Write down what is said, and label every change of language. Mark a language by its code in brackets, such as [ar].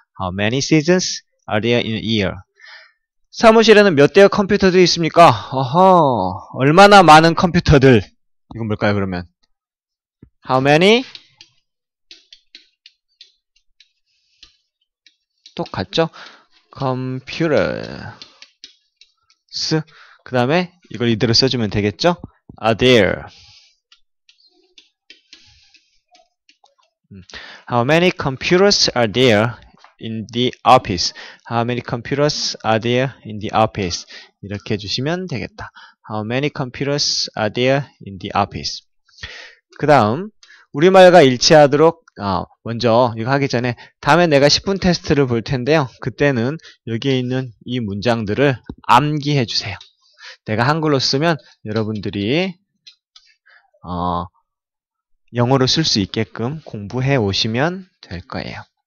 [en] How many seasons are there in a year? [ko] 사무실에는 몇 대의 컴퓨터들이 있습니까? 어허, 얼마나 많은 컴퓨터들? 이건 뭘까요, 그러면? [en] How many? [ko] 똑같죠? Computers. 그 다음에 이걸 이대로 써주면 되겠죠? [en] Are there. How many computers are there in the office? How many computers are there in the office? [ko] 이렇게 해주시면 되겠다. [en] How many computers are there in the office? [ko] 그 다음, 우리말과 일치하도록 먼저 이거 하기 전에 다음에 내가 10분 테스트를 볼 텐데요. 그때는 여기에 있는 이 문장들을 암기해 주세요. 내가 한글로 쓰면 여러분들이 영어로 쓸 수 있게끔 공부해 오시면 될 거예요.